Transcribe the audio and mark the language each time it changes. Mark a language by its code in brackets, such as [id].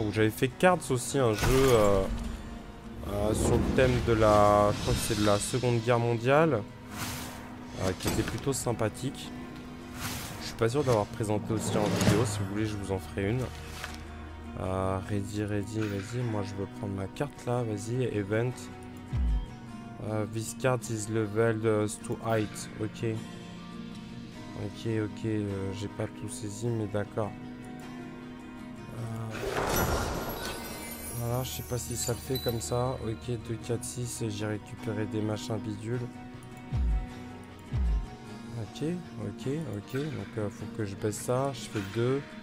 [fr] Où j'avais fait Cards aussi, un jeu sur le thème de la, je crois que c'est de la Seconde Guerre mondiale, qui était plutôt sympathique. Je suis pas sûr d'avoir présenté aussi en vidéo. Si vous voulez, je vous en ferai une. Ready, vas-y. Moi je veux prendre ma carte là, vas-y, Event. [en] This card is leveled to height. Ok. Ok, ok. [fr] J'ai pas tout saisi, mais d'accord. Voilà, je sais pas si ça le fait comme ça. Ok, 2, 4, 6. J'ai récupéré des machins bidules. Ok, ok, ok. Donc, faut que je baisse ça. Je fais 2.